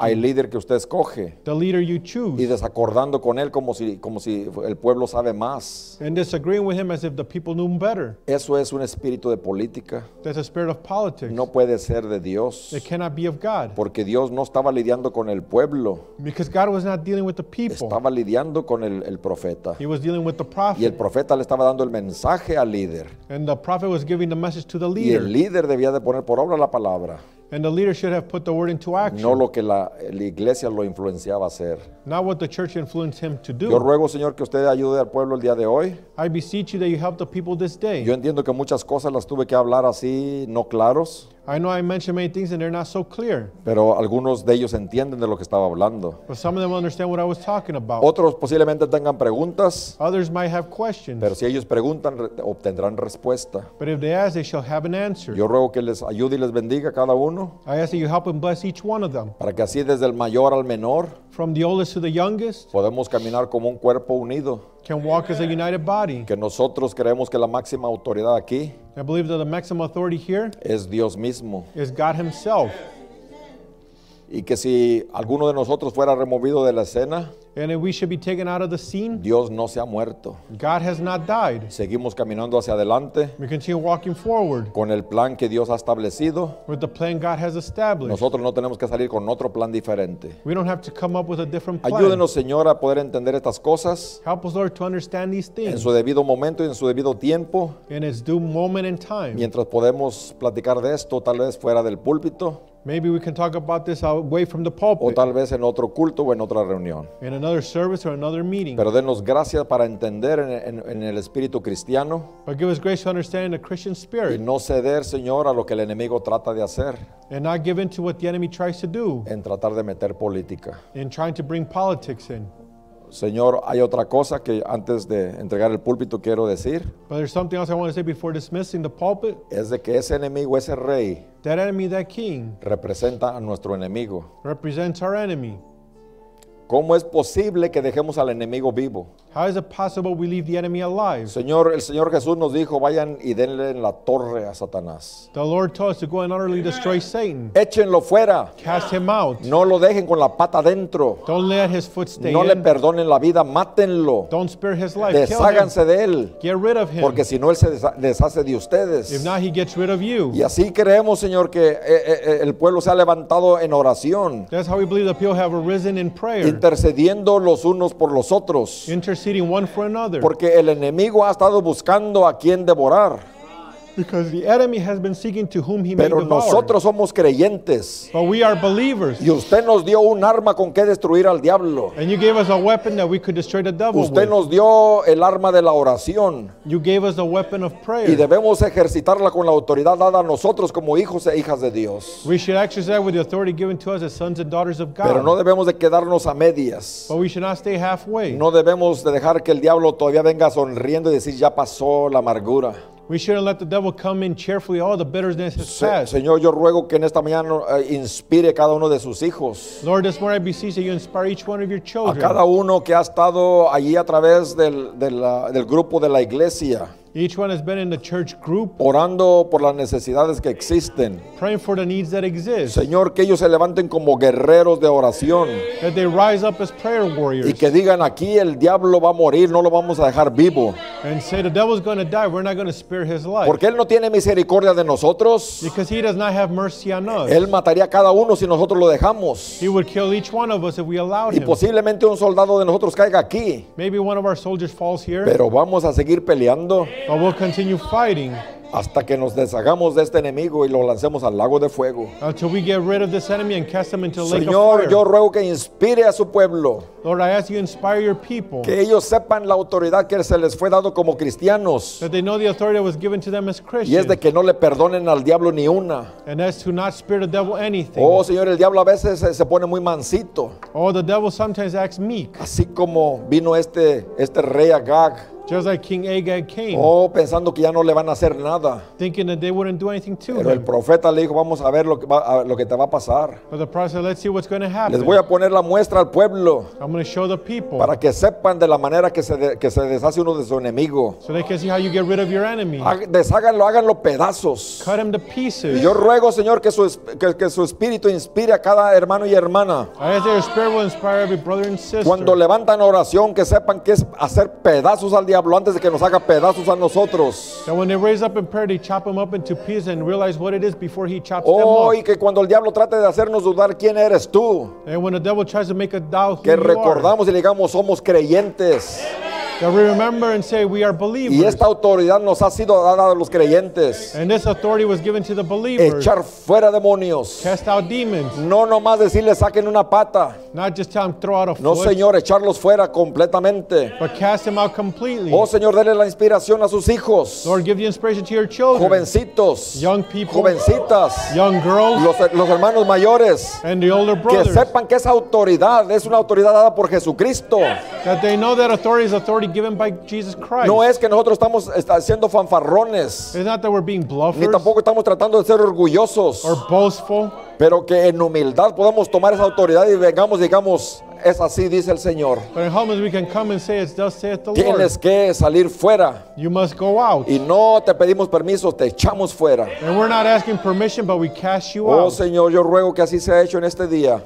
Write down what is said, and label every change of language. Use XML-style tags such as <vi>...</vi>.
<es>Hay líder que usted escoge.</es> <en>The leader you choose.</en> <es>Y desacordando con él como si el pueblo sabe más.</es> <en>And disagreeing with him as if the people knew him better.</en> <es>Eso es un espíritu de política.</es> <en>That's a spirit of politics.</en> <es>No puede ser de Dios.</es> <en>It cannot be of God.</en> <es>Porque Dios no estaba lidiando con el pueblo.</es> <en>Because God was not dealing with the people.</en> <es>Estaba lidiando con el profeta.</es> <en>He was dealing with the prophet.</en> <es>Y el profeta le estaba dando el mensaje al líder.</es> <en>And the prophet was giving the message to the leader.</en> <es>Y el líder debía de poner por obra la palabra.</es> <en>And the leader should have put the word into action.</en> <es>No lo que la iglesia lo influenciaba a hacer.</es> <en>Not what the church influenced him to do.</en> <es>Yo ruego, Señor, que usted ayude al pueblo el día de hoy.</es> <en>I beseech you that you help the people this day.</en> <es>Yo entiendo que muchas cosas las tuve que hablar así, no claros.</es> <en>I know I mentioned many things and they're not so clear.</en> <es>Pero algunos de ellos entienden de lo que estaba hablando.</es> <en>But some of them understand what I was talking about.</en> <es>Otros posiblemente tengan preguntas.</es> <en>Others might have questions.</en> <es>Pero si ellos preguntan, obtendrán respuesta.</es> <en>But if they ask, they shall have an answer.</en> <es>Yo ruego que les ayude y les bendiga cada uno.</es> <en>I ask that you help and bless each one of them.</en> <es>Para que así desde el mayor al menor.</es> <en>From the oldest to the youngest.</en> <es>Podemos caminar como un cuerpo unido.</es> <en>Can walk as a united body.</en> <es>Que nosotros creemos que la máxima autoridad aquí.</es> <en>I believe that the maximum authority here.</en> <es>Es Dios mismo.</es> <en>Is God himself.</en> <es>Y que si alguno de nosotros fuera removido de la escena.</es> <en>And if we should be taken out of the scene.</en> <es>Dios no se ha muerto.</es> <en>God has not died.</en> <es>Seguimos caminando hacia adelante.</es> <en>We continue walking forward.</en> <es>Con el plan que Dios ha establecido.</es> <en>With the plan God has established.</en> <es>Nosotros no tenemos que salir con otro plan diferente.</es> <en>We don't have to come up with a different plan.</en> <es>Ayúdenos, Señor, a poder entender estas cosas.</es> <en>Help us, Lord, to understand these things.</en> <es>En su debido momento y en su debido tiempo.</es> <en>In its due moment and time.</en> <es>Mientras podemos platicar de esto, tal vez fuera del púlpito.</es> <en>Maybe we can talk about this away from the pulpit.</en> <es>O tal vez en otro culto o en otra reunión.</es> <en>In another service or another meeting.</en> <es>Pero denos gracias para entender en el espíritu cristiano.</es> <en>But give us grace to understand in the Christian spirit.</en> <es>Y no ceder, Señor, a lo que el enemigo trata de hacer.</es> <en>And not give in to what the enemy tries to do.</en> <es>En tratar de meter política.</es> <en>In trying to bring politics in.</en> <es>Señor, hay otra cosa que antes de entregar el púlpito quiero decir.</es> <en>But there's something else I want to say before dismissing the pulpit.</en> <es>Es de que ese enemigo, ese rey.</es> <en>That enemy, that king.</en> <es>Representa a nuestro enemigo.</es> <en>Represents our enemy.</en> <es>¿Cómo es posible que dejemos al enemigo vivo?</es> <en>How is it possible we leave the enemy alive?</en> <es>Señor, el Señor Jesús nos dijo, vayan y denle en la torre a Satanás.</es> <en>The Lord told us to go and utterly destroy Satan.</en> <es>Échenlo fuera.</es> <en>Cast him out.</en> <es>No lo dejen con la pata dentro.</es> <en>Don't let his foot stay</en> <es>no</es> <en>in.</en> <es>No le perdonen la vida, mátenlo.</es> <en>Don't spare his life.</en> <es>Desháganse de él.</es> <en>Get rid of him.</en> <es>Porque si no, él se deshace de ustedes.</es> <en>If not, he gets rid of you.</en> <es>Y así creemos, Señor, que el pueblo se ha levantado en oración.</es> <en>That's how we believe the people have arisen in prayer.</en> <es>Intercediendo los unos por los otros.</es> <en>Interceding one for another.</en> <es>Porque el enemigo ha estado buscando a quien devorar.</es> <en>Because the enemy has been seeking to whom he</en> <es>Pero</es> <en>may devour.</en> <es>Nosotros somos creyentes.</es> <en>But we are believers.</en> <es>Y usted nos dio un arma con que destruir al diablo.</es> <en>And you gave us a weapon that we could destroy the devil</en> <es>usted Nos dio el arma de la oración.</es> <en>You gave us a weapon of prayer.</en> <es>Y debemos ejercitarla con la autoridad dada a nosotros como hijos e hijas de Dios.</es> <en>We should exercise that with the authority given to us as sons and daughters of God.</en> <es>Pero no debemos de quedarnos a medias.</es> <en>But we should not stay halfway.</en> <es>No debemos de dejar que el diablo todavía venga sonriendo y decir ya pasó la amargura.</es> <en>We shouldn't let the devil come in cheerfully. All the bitterness has passed.</en> <es>Señor, yo ruego que en esta mañana inspire cada uno de sus hijos.</es> <en>Lord, this morning I beseech that you inspire each one of your children.</en> <es>A cada uno que ha estado allí a través del grupo de la iglesia.</es> <en>Each one has been in the church group.</en> <es>Orando por las necesidades que existen.</es> <en>Praying for the needs that exist.</en> <es>Señor, que ellos se levanten como guerreros de oración.</es> <en>That they rise up as prayer warriors.</en> <es>Y que digan aquí el diablo va a morir, no lo vamos a dejar vivo.</es> <en>And say the devil's going to die, we're not going to spare his life.</en> <es>Porque él no tiene misericordia de nosotros.</es> <en>Because he does not have mercy on us.</en> <es>Él mataría a cada uno si nosotros lo dejamos.</es> <en>He would kill each one of us if we allowed him.</en> <es>Y posiblemente un soldado de nosotros caiga aquí.</es> <en>Maybe one of our soldiers falls here.</en> <es>Pero vamos a seguir peleando.</es> <en>But we'll continue fighting</en> <es>hasta que nos deshagamos de este enemigo y lo lancemos al lago de fuego.</es> <en>Until we get rid of this enemy and cast him into the lake of fire.</en> <es>Señor, yo ruego que inspire a su pueblo.</es> <en>Lord, I ask you inspire your people.</en> <es>Que ellos sepan la autoridad que se les fue dado como cristianos.</es> <en>That they know the authority that was given to them as Christians.</en> <es>Y es de que no le perdonen al diablo ni una.</es> <en>And as to not spare the devil anything.</en> <es>Oh, Señor, el diablo a veces se pone muy mansito.</es> <en>Oh, the devil sometimes acts meek.</en> <es>Así como vino este rey Agag.</es> <en>Just like King Agag came.</en> <es>Oh, pensando que ya no le van a hacer nada.</es> <en>Thinking that they wouldn't do anything to</en> <es>Pero</es> <en>him.</en> <es>Pero el profeta le dijo, vamos a ver lo que te va a pasar.</es> <en>But the prophet said, let's see what's going to happen.</en> <es>Les voy a poner la muestra al pueblo.</es> <en>I'm going to show the people.</en> <es>Para que sepan de la manera que se deshace uno de su enemigo.</es> <en>So they can see how you get rid of your enemy.</en> <es>Deshágalo, háganlo pedazos.</es> <en>Cut him to pieces.</en> <es>Y yo ruego, Señor, que su espíritu inspire a cada hermano y hermana.</es> <en>I ask that your spirit will inspire every brother and sister.</en> <es>Cuando levantan oración, que sepan que es hacer pedazos al diablo antes de que nos haga pedazos a nosotros.</es> <en>And when they raise up in prayer, they chop him up into pieces and realize what it is before he chops them up.</en> <es>Oh, y que cuando el diablo trate de hacernos dudar quién eres tú.</es> <en>And when the devil tries to make a doubt who you are.</en> <es>Que recordamos y digamos somos creyentes.</es> <en>That we remember and say we are believers.</en> <es>Y esta autoridad nos ha sido dada a los creyentes.</es> <en>And this authority was given to the believers.</en> <es>Echar fuera demonios.</es> <en>Cast out demons.</en> <es>No nomás decirle saquen una pata.</es> <en>Not just tell them throw out a</en> <es>no,</es> <en>foot.</en> <es>No, Señor, echarlos fuera completamente.</es> <en>But cast them out completely.</en> <es>Oh, Señor, dele la inspiración a sus hijos.</es> <en>Lord, give the inspiration to your children.</en> <es>Jovencitos.</es> <en>Young people.</en> <es>Jovencitas.</es> <en>Young girls.</en> <es>Los hermanos mayores.</es> <en>And the older brothers.</en> <es>Que sepan que esa autoridad es una autoridad dada por Jesucristo.</es> <en>That they know that authority is authority given by Jesus Christ.</en> <es>No es que nosotros estamos haciendo fanfarrones.</es> <en>It's not that we're being bluffers.</en> <es>Ni tampoco estamos tratando de ser orgullosos.</es> <en>Or boastful.</en> <es>Pero que en humildad podamos tomar esa autoridad y vengamos y digamos es así dice el Señor.</es> <en>But in humbleness we can come and say it's thus saith the</en> <es>Tienes</es> <en>Lord.</en> <es>Tienes que salir fuera.</es> <en>You must go out.</en> <es>Y no te pedimos permiso, te echamos fuera.</es> <en>And we're not asking permission, but we cast you oh, out.</en> <es>Oh Señor, yo ruego que así sea hecho en este día.</es>